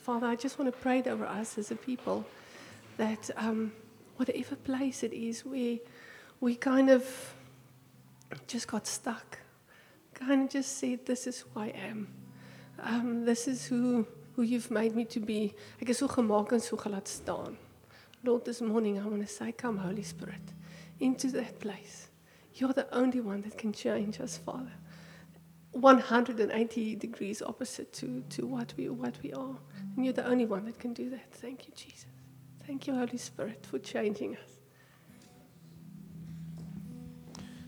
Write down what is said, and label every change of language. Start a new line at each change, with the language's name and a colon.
English: Father, I just want to pray over us as a people that whatever place it is, we kind of just got stuck, kind of just said, this is who I am. This is who you've made me to be.
Afrikaans: Ek is so gemaak en so gelaat staan.
English: Lord, this morning I want to say, come, Holy Spirit, into that place. You're the only one that can change us, Father. 180 degrees opposite to what we are. And you're the only one that can do that. Thank you, Jesus. Thank you, Holy Spirit, for changing us.